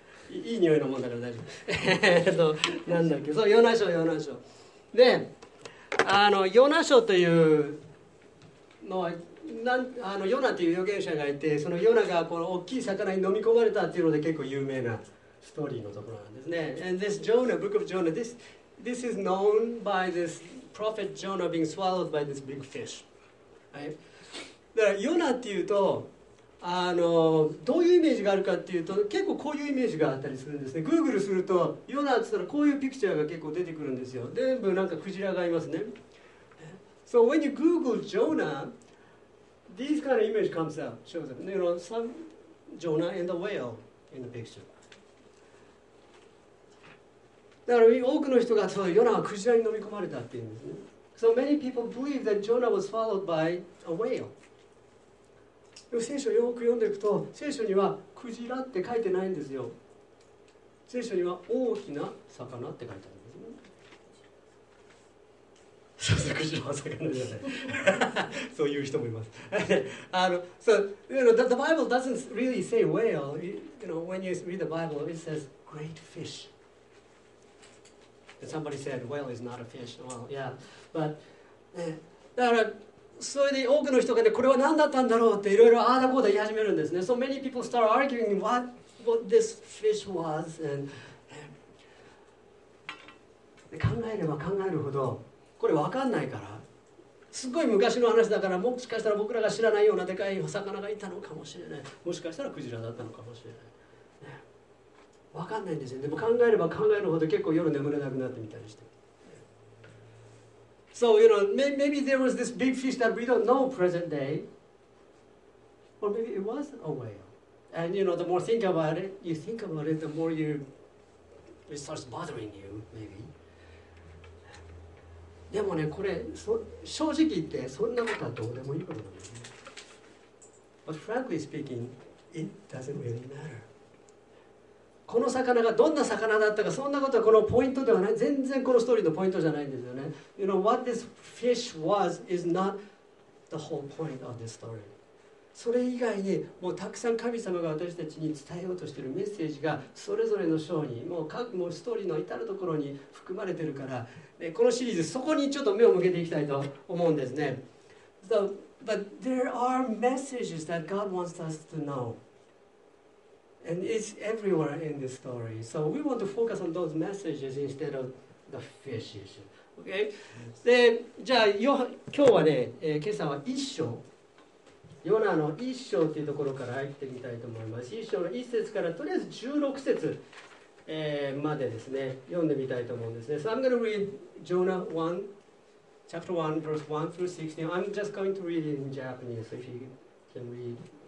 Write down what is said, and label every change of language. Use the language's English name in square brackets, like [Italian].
[Japanese] いい匂いのもんだから大丈夫。なんだっけ、そう、ヨナ書、ヨナ書。で、ヨナ書というのは、ヨナという預言者がいて、そのヨナがこの大きい魚に飲み込まれたっていうので結構有名なストーリーのところなんですね。 [English] And this Jonah, Book of Jonah, this is known by this prophet Jonah being swallowed by this big fish. Right? [Japanese] だからヨナっていうとどういうイメージがあるかっていうと結構こういうイメージがあったりするんですね。 Google するとヨナって言ったらこういうピクチャーが結構出てくるんですよ。全部なんかクジラがいますね。 [English] So when you Google Jonah, these kind of image comes up, shows up. You know, some Jonah and the whale in the picture. [Japanese] だから多くの人がそう、ヨナはクジラに飲み込まれたって言うんですね。 [English] So many people believe that Jonah was followed by a whale. [Japanese] 聖書をよく読んでいくと、聖書にはクジラって書いてないんですよ。聖書には大きな魚って書いてあるんですね。そうそう、クジラは魚じゃない。そういう人もいます。 [English] So, you know, the Bible doesn't really say whale. You know, when you read the Bible, it says great fish. And somebody said whale is not a fish. Well, yeah. But, [Japanese] だから、それで多くの人がね、これは何だったんだろうっていろいろああだこうだ言い始めるんですね。 [English] So many people start arguing what this fish was. [Japanese] And 考えれば考えるほど、これ分かんないから、すごい昔の話だから、もしかしたら僕らが知らないようなでかい魚がいたのかもしれない。もしかしたらクジラだったのかもしれない。分かんないんですよ。でも考えれば考えるほど結構夜眠れなくなってみたりして。 [English] So, you know, maybe there was this big fish that we don't know present day. Or maybe it was a whale. And, you know, the more you think about it, the more it starts bothering you, maybe. [Japanese] でもね、これ、正直言って、そんなことはどうでもいいことなんですね。 [English] But frankly speaking, it doesn't really matter. [Japanese] この魚がどんな魚だったか、そんなことはこのポイントではない。全然このストーリーのポイントじゃないんですよね。 [English] You know, what this fish was is not the whole point of this story. [Japanese] それ以外に、もうたくさん神様が私たちに伝えようとしているメッセージが、それぞれの章に、もうストーリーの至るところに含まれているから、このシリーズ、そこにちょっと目を向けていきたいと思うんですね。 [English] So, but there are messages that God wants us to know. And it's everywhere in the story. So we want to focus on those messages instead of the fish issue. Okay? [Japanese] で、じゃあ、今日はね、今朝は一章。ヨナの一章っていうところから入ってみたいと思います。一章の一節からとりあえず16節、までですね、読んでみたいと思うんですね。 [English] So I'm going to read Jonah 1, chapter 1, verse 1 through 16. I'm just going to read it in Japanese, so if you can read.